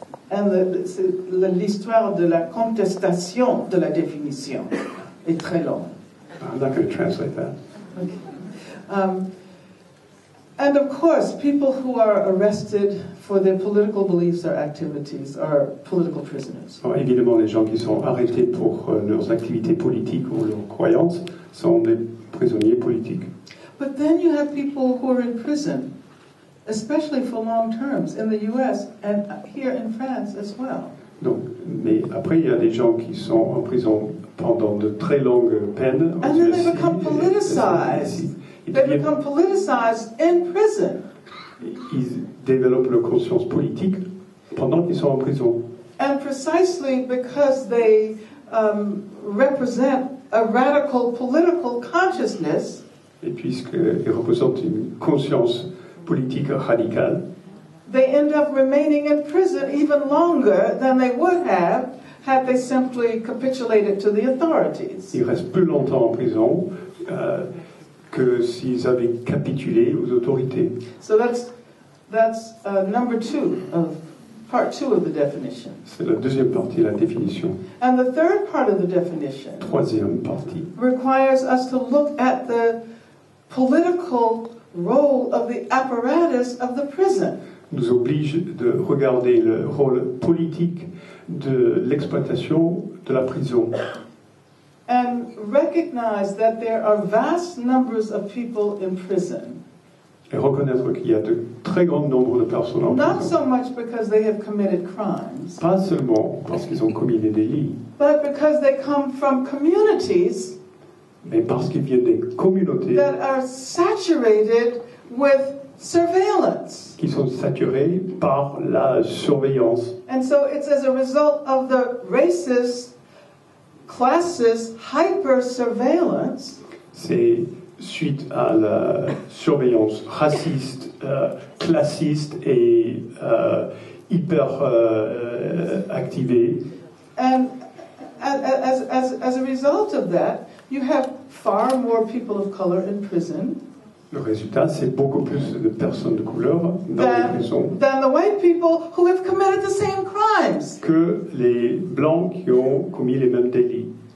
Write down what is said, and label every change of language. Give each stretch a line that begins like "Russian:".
French: And l'histoire de la contestation de la définition est très longue.
English: I'm not going to translate that. Okay. And of course, people who are arrested for their political beliefs or activities are political prisoners.
French: Oh, évidemment, les gens qui sont arrêtés pour leurs activités politiques ou leurs croyances sont des prisonniers politiques.
English: But then you have people who are in prison, especially for long terms, in the U.S. and here in France as well.
French: Donc, mais après, il y a des gens qui sont en prison pendant de très longues peines.
English: And then they become politicized. They become politicized in prison.
French: Ils développent leur conscience politique pendant qu'ils sont en prison.
English: And precisely because they represent a radical political consciousness.
French: Et puisqu'ils représentent une conscience politique radicale.
English: They end up remaining in prison even longer than they would have had they simply capitulated to the authorities.
French: Ils restent plus longtemps en prison que s'ils avaient capitulé aux autorités.
English: So that's number two of part two of the definition.
French: C'est la deuxième partie, la définition.
English: And the third part of the definition.
French: Troisième partie.
English: Requires us to look at the political role of the apparatus of the prison.
French: Nous oblige de regarder le rôle politique de l'exploitation de la prison.
English: And recognize that there are vast numbers of people in prison.
French: Et reconnaître qu'il y a de très grands nombres de personnes en
English: not Not so much because they have committed crimes.
French: Pas seulement parce qu'ils ont commis des délits.
English: But because they come from communities.
French: Mais parce qu'ils viennent des communautés.
English: That are saturated with surveillance.
French: Qui sont saturés par la surveillance.
English: And so it's as a result of the racist, classist, hyper-surveillance.
French: C'est suite à la surveillance raciste, classiste et hyper-activée.
English: And as a result of that, you have far more people of color in prison.
French: Le résultat, c'est beaucoup plus de personnes de couleur dans les prisons
English: than the white people who have committed the same crimes.
French: Que les blancs qui ont commis les mêmes délits.